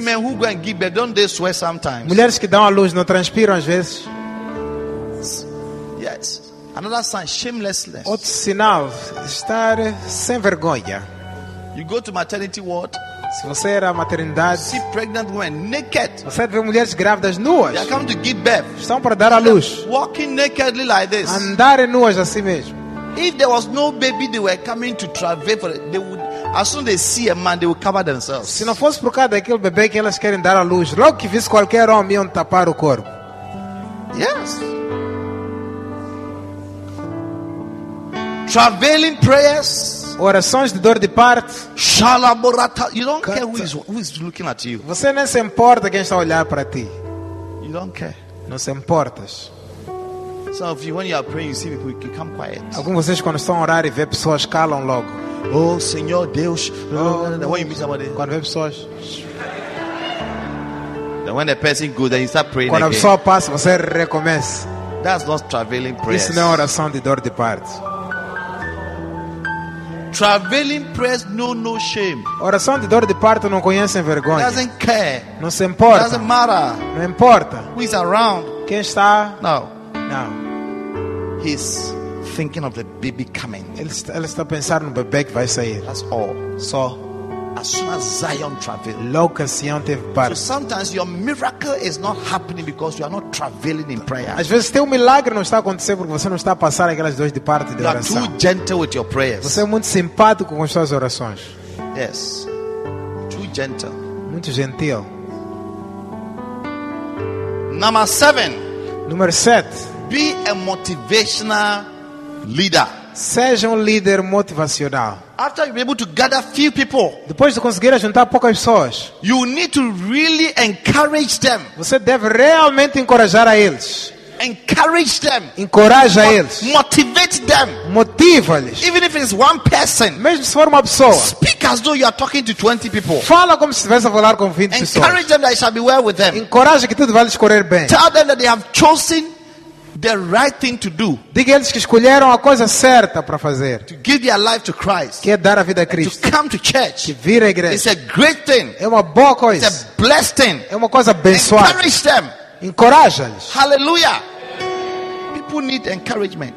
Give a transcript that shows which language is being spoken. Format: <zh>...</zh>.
<en>Women who go and give birth, don't they sweat sometimes?</en> <pt>Mulheres que dão à luz não transpiram às vezes?</pt> <en>Yes. Another sign, shamelessness.</en> <pt>Outro sinal, estar sem vergonha.</pt> <en>You go to maternity ward.</en> <pt>Se você era maternidade,</pt> <en>see pregnant women naked.</en> <pt>Você vê mulheres grávidas nuas.</pt> <en>They come to give birth.</en> <pt>Estão para dar à luz.</pt> <en>Walking nakedly like this.</en> <pt>Andar nuas assim mesmo.</pt> <en>If there was no baby, they were coming to travel for it. They would, as soon as they see a man, they would cover themselves.</en> <pt>Se não fosse por causa daquele bebê que elas querem dar à luz, logo que visse qualquer homem, iam tapar o corpo.</pt> <en>Yes. Traveling prayers,</en> <pt>orações de dor de parto.</pt> <en>Shalaborata, you don't care who is looking at you.</en> <pt>Você nem se importa quem está a olhar para ti.</pt> <en>You don't care.</en> <pt>Não se importas.</pt> <en>Some of you, when you are praying, you see people you come quiet.</en> <pt>Alguns de vocês quando estão a orar e vê pessoas calam logo. Oh Senhor Deus,</pt> <en>oh, when you meet somebody,</en> <pt>quando vê pessoas.</pt> <en>Then when the person goes, then you start praying.</en> <pt>Quando</pt> <en>again.</en> <pt>A pessoa passa, você recomeça.</pt> <en>That's not traveling prayers.</en> <pt>Isso não é oração de dor de parto.</pt> <en>Traveling prayers know no shame.</en> <pt>Oração de dor de parto não conhece vergonha.</pt> <en>Doesn't care.</en> <pt>Não se importa.</pt> <en>Doesn't matter.</en> <pt>Não importa.</pt> <en>Who is around?</en> <pt>Quem está?</pt> <en>No.</en> <pt>Não.</pt> <en>He's thinking of the baby coming.</en> <pt>Ele está pensando no bebê que vai sair.</pt> <en>That's all.</en> <pt>Só.</pt> <en>As soon as Zion traveled.</en> <pt>Logo que Sião teve parto.</pt> <en>So sometimes your miracle is not happening because you are not traveling in prayer.</en> <pt>Às vezes teu milagre não está acontecendo porque você não está a passar aquelas dores de parto de oração.</pt> <en>You are too gentle with your prayers.</en> <pt>Você é muito simpático com as suas orações.</pt> <en>Yes. Too gentle.</en> <pt>Muito gentil.</pt> <en>Number 7.</en> <pt>Número 7.</pt> <en>Be a motivational leader.</en> <pt>Seja líder motivacional.</pt> <en>After you're able to gather few people,</en> <pt>depois de conseguir juntar poucas pessoas,</pt> <en>you need to really encourage them.</en> <pt>Você deve realmente encorajar a eles.</pt> <en>Encourage them.</en> <pt>Encoraja eles.</pt> <en>Motivate them.</en> <pt>Motiva-lhes.</pt> <en>Even if it's one person.</en> <pt>Mesmo se for uma pessoa.</pt> <en>Speak as though you are talking to 20 people.</en> <pt>Fala como se estivesse a falar com 20</pt> <en>encourage</en> <pt>pessoas.</pt> <en>Encourage them that it shall be well with them.</en> <pt>Encoraja que tudo vai lhes correr bem.</pt> <en>Tell them that they have chosen the right thing to do.</en> <pt>Diga-lhes que escolheram a coisa certa para fazer.</pt> <en>To give their life to Christ.</en> <pt>Que é dar a vida a Cristo.</pt> <en>And to come to church.</en> <pt>Que vir à igreja.</pt> <en>It's a great thing.</en> <pt>É uma boa coisa.</pt> <en>It's a blessed thing.</en> <pt>É uma coisa abençoada.</pt> <en>Encourage them.</en> <pt>Encoraja-lhes.</pt> <en>Hallelujah. People need encouragement.</en>